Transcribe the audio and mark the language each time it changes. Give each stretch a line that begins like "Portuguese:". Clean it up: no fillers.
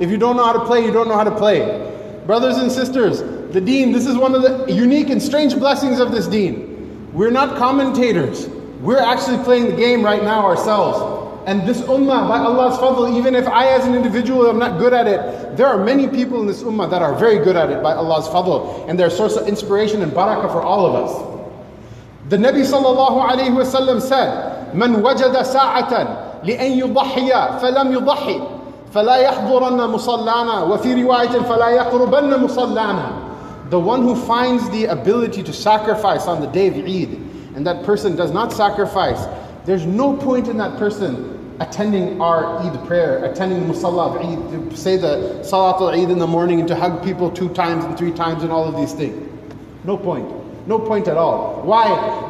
English: If you don't know how to play, you don't know how to play. Brothers and sisters, the deen, this is one of the unique and strange blessings of this deen. We're not commentators. We're actually playing the game right now ourselves. And this ummah, by Allah's fadl, even if I as an individual am not good at it, there are many people in this ummah that are very good at it by Allah's fadl. And they're a source of inspiration and barakah for all of us. The Nabi sallallahu alayhi wa sallam said,
Arabic: مَنْ وَجَدَ سَاعَةً لِأَنْ يُضَحِيَ فَلَمْ يُضَحِي فَلَا يَحْضُرَنَّ مُصَلَّانَا وَفِي رِوَايَةٍ فَلَا يَقْرُبَنَّ مُصَلَّانَا.
English: The one who finds the ability to sacrifice on the day of Eid, and that person does not sacrifice, there's no point in that person attending our Eid prayer, attending Musalla of Eid, to say the Salat al-Eid in the morning and to hug people two times and three times and all of these things. No point. No point at all. Why?